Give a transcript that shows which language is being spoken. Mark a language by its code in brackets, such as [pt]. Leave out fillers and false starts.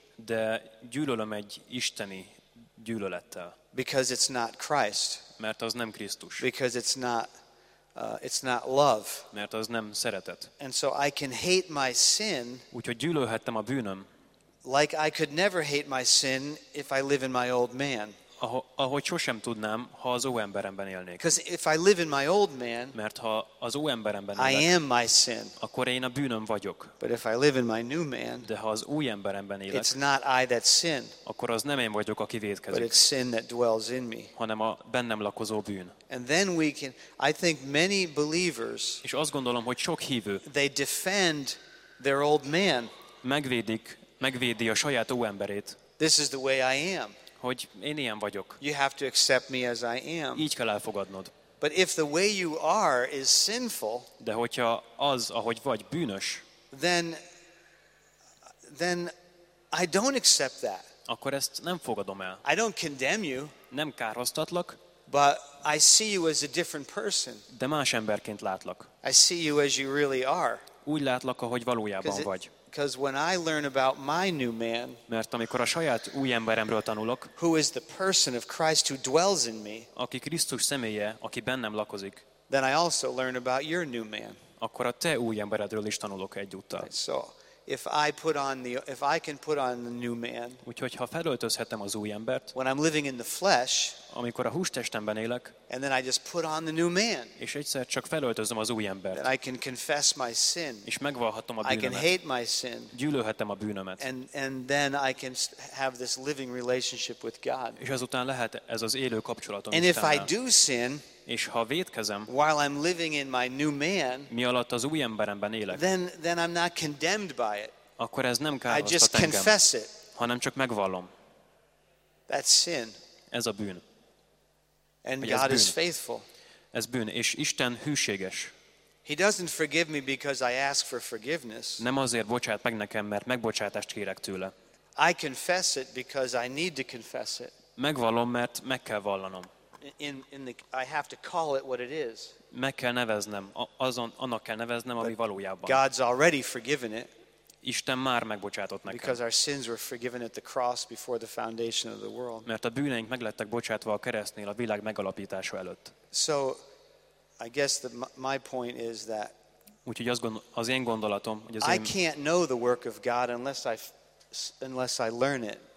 [hu] De gyűlölöm egy isteni gyűlölettel. [en] Because it's not Christ. [hu] Mert az nem Krisztus. [en] Because it's not love. [hu] Mert az nem szeretet. [en] And so I can hate my sin. [hu] Úgyhogy gyűlölhettem a bűnöm. [en] Like I could never hate my sin if I live in my old man. [hu] Ahogy sosem tudnám, ha az új emberemben élnék. [en] Because if I live in my old man, [hu] mert ha az új emberemben élek, [en] I am my sin. [hu] Akkor én a bűnöm vagyok. [en] But if I live in my new man, [hu] de ha az új emberemben élek, [en] it's not I that sin. [hu] Akkor az nem én vagyok, aki vétkezik. [en] But it's sin that dwells in me. [hu] Hanem a bennem lakozó bűn. [en] And then we can, I think many believers, [hu] és azt gondolom, hogy sok hívő, [en] they defend their old man. [hu] Megvédi a saját új emberét. [en] This is the way I am. [hu] Hogy én ilyen vagyok. [en] You have to accept me as I am. [hu] Így kell elfogadnod. [en] But if the way you are is sinful, [hu] de hogyha az, ahogy vagy, bűnös, [en] then I don't accept that. [hu] Akkor ezt nem fogadom el. [en] I don't condemn you. [hu] Nem károsztatlak. [en] But I see you as a different person. [hu] De más emberként látlak. [en] I see you as you really are. [hu] Úgy látlak, ahogy valójában vagy. [en] Because when I learn about my new man, [hu] mert amikor a saját új emberemről tanulok, [en] who is the person of Christ who dwells in me, [hu] aki Krisztus személye, aki bennem lakozik, [en] then I also learn about your new man. [hu] Akkor a te új emberedről is tanulok egyúttal. [en] So if I can put on the new man, [hu] úgyhogy ha felöltözhetem az új embert, [en] when I'm living in the flesh, [hu] amikor a hústestemben élek, [en] and then I just put on the new man, [hu] és egyszer csak felöltözöm az új embert, [en] then I can confess my sin, [hu] és megvallhatom a bűnömet, [en] I can hate my sin, [hu] gyűlölhetem a bűnömet, [en] and then I can have this living relationship with God, [hu] és azután lehet ez az élő kapcsolatom Istennel. [en] And if I do sin, [hu] és ha vétkezem, [en] while I'm living in my new man, [hu] mi alatt az új emberemben élek, [en] then I'm not condemned by it. [hu] Akkor ez nem károsztat engem. [en] I just confess it. [hu] Hanem csak megvallom. [en] That's sin. [hu] Ez a bűn. [en] And God is faithful. [hu] Ez bűn, és Isten hűséges. [en] He doesn't forgive me because I ask for forgiveness. [hu] Nem azért bocsát meg nekem, mert megbocsátást kérek tőle. [en] I confess it because I need to confess it. [hu] Megvallom, mert meg kell vallanom. [en] In the I have to call it what it is. [hu] Meg kell neveznem, azon annak kell neveznem, ami valójában. [en] God's already forgiven it. [hu] Isten már megbocsátott nekem. [en] Because our sins were forgiven at the cross before the foundation of the world. [hu] Mert a bűneink meglettek bocsátva a keresztnél, a világ megalapítása előtt. [en] So I guess that my point is that, [hu] úgyhogy az én gondolatom, hogy az [en] I can't know the work of God unless I learn it.